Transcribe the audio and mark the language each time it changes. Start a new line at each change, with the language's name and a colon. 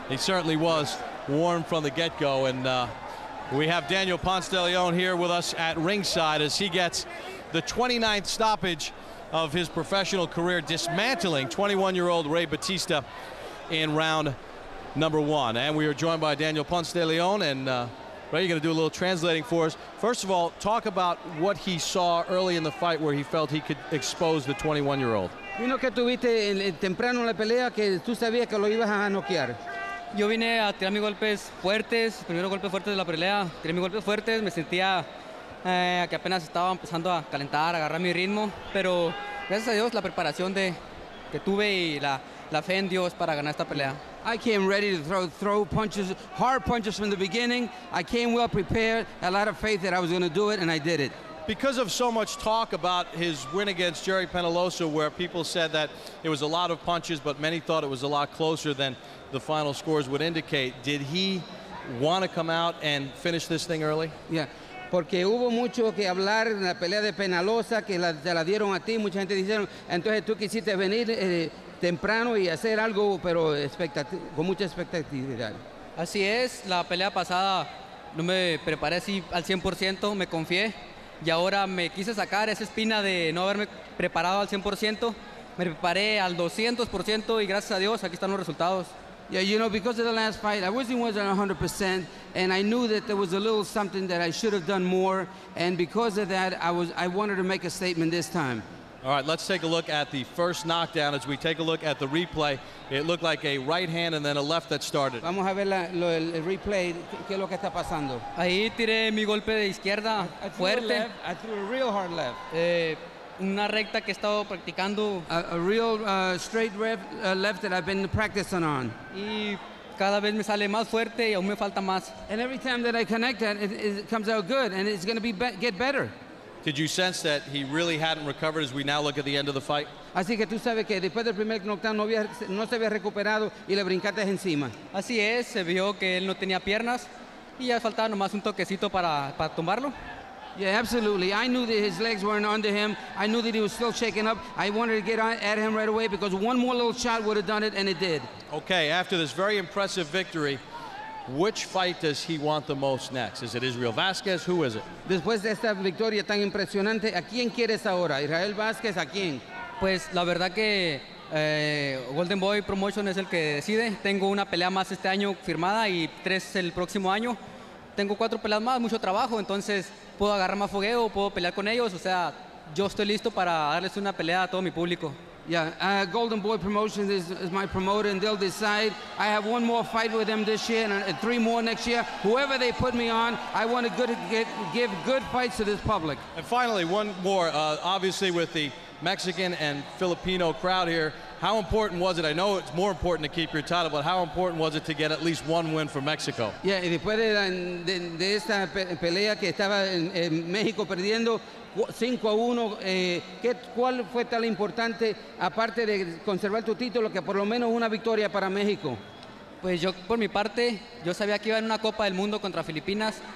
English: He certainly was warm from the get-go, and we have Daniel Ponce de Leon here with us at ringside as he gets the 29th stoppage of his professional career, dismantling 21-year-old Ray Bautista in round number one. And we are joined by Daniel Ponce de Leon, and Ray, you're going to do a little translating for us. First of all, talk about what he saw early in the fight where he felt he could expose the 21-year-old.
Spanish: Vino que tuviste temprano en la pelea que tú sabías que lo ibas a noquear. Yo vine a tirar mis golpes fuertes, primero golpe fuerte de la pelea, tiré mis golpes fuertes, me sentía que apenas estaba empezando a calentar, a agarrar mi ritmo, pero gracias a Dios la preparación que tuve y la fe en Dios para ganar esta pelea.
English: I came ready to throw punches, hard punches from the beginning. I came well prepared, a lot of faith that I was going to do it, and I did it. Because of so much talk about his win against Jerry Penalosa, where people said that it was a lot of punches, but many thought it was a lot closer than the final scores would indicate, did he want to come out and finish this thing early? Yeah.
Spanish: Porque hubo mucho que hablar en la pelea de Penalosa, que te la dieron a ti, mucha gente dijeron, entonces tú quisiste venir temprano y hacer algo, pero con mucha expectativa. Así es, la pelea pasada no me preparé así al 100%, me confié, y ahora me quise sacar esa espina de no haberme preparado al 100%, me preparé al 200%, y gracias a Dios, aquí están los resultados.
English: Yeah, you know, because of the last fight, I wasn't 100%, and I knew that there was a little something that I should have done more, and because of that, I wanted to make a statement this time. All right, let's take a look at the first knockdown. As we take a look at the replay, it looked like a right hand and then a left that started.
Spanish: Vamos a ver el replay, qué es lo que está pasando. Ahí tiré mi golpe de izquierda fuerte.
English: I threw a real hard left.
Spanish: Una recta que he estado practicando.
English: A real straight left that I've been practicing on.
Spanish: Y cada vez me sale más fuerte y aún me falta más.
English: And every time that I connect that, it comes out good, and it's going to get better. Did you sense that he really hadn't recovered as we now look at the end of the fight?
Spanish: Así que tú sabes que después del primer knockdown no se había recuperado y le brincaste encima. Así es, se vio que él no tenía piernas y ya faltaba nomás un toquecito para tumbarlo.
English: Yeah, absolutely. I knew that his legs weren't under him. I knew that he was still shaking up. I wanted to get at him right away because one more little shot would have done it, and it did. Okay, after this very impressive victory, which fight does he want the most next? Is it Israel Vasquez? Who is it?
Spanish: Después de esta victoria tan impresionante, ¿a quién quieres ahora? Israel Vasquez, ¿a quién? Pues la verdad que Golden Boy Promotion es el que decide. Tengo una pelea más este año firmada y tres el próximo año. Tengo cuatro peleas más, mucho trabajo, entonces puedo agarrar más fogueo, puedo pelear con ellos. O sea, yo estoy listo para darles una pelea a todo mi público.
English: Yeah, Golden Boy Promotions is my promoter, and they'll decide. I have one more fight with them this year, and three more next year. Whoever they put me on, I want to give good fights to this public. And finally, one more. Obviously, with the Mexican and Filipino crowd here, how important was it? I know it's more important to keep your title, but how important was it to get at least one win for Mexico?
Spanish: Yeah, y después de esta pelea que estaba en México perdiendo 5-1, ¿cuál fue tan importante, aparte de conservar tu título, que por lo menos una victoria para México? Pues yo, por mi parte, yo sabía que iba en una Copa del Mundo contra Filipinas.